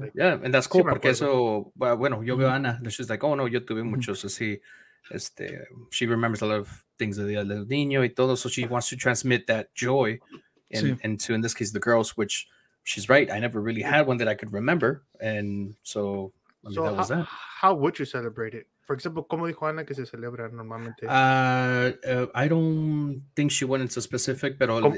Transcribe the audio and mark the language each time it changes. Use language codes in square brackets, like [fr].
[en] Like, yeah, and that's cool because so [es] bueno, yo veo a Ana. [en] And she's like, oh no, [es] yo tuve muchos así. [en] Este, she remembers a lot of things of the little niño [es] y todo, [en] so she wants to transmit that joy into, in this case, the girls, which she's right. I never really had one that I could remember, and so, I mean, so that was that. How would you celebrate it? For example, [es] ¿cómo dijo Ana que se celebra normalmente? [en] I don't think she went into specific, [es] pero...